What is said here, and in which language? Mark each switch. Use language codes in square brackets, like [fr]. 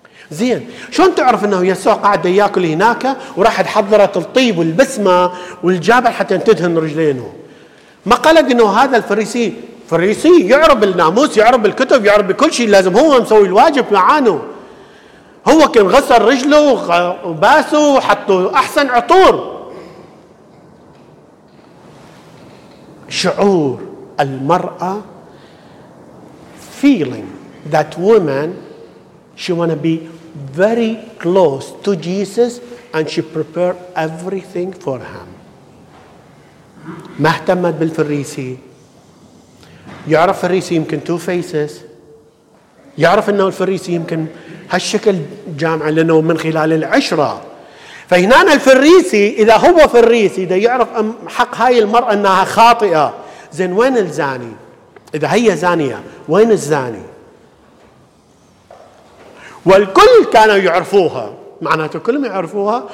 [ar] زين شلون تعرف انه يسوع قاعد ياكل هناك وراح تحضرت الطيب والبسمه والجابه حتى تدهن رجلينه؟ ما قالك انه هذا الفريسي فريسي يعرف الناموس يعرف الكتب يعرف كل شيء لازم هو مسوي الواجب معانه؟ هو كان غسل رجله وباسه وحطه احسن عطور. شعور المرأة [en] feeling that woman she wanna be very close to Jesus and she prepared everything for him. [ar] ما اهتمت بالفريسي. يعرف الفريسي يمكن [en] two faces. [ar] يعرف انه الفريسي يمكن هالشكل جامع لانه من خلال العشرة. فهنا الفريسي اذا هو فريسي اذا يعرف حق هاي المرأة انها خاطئة زين وين الزاني؟ إذا هي زانية وين الزاني؟ والكل كانوا يعرفوها معناته كلهم يعرفوها.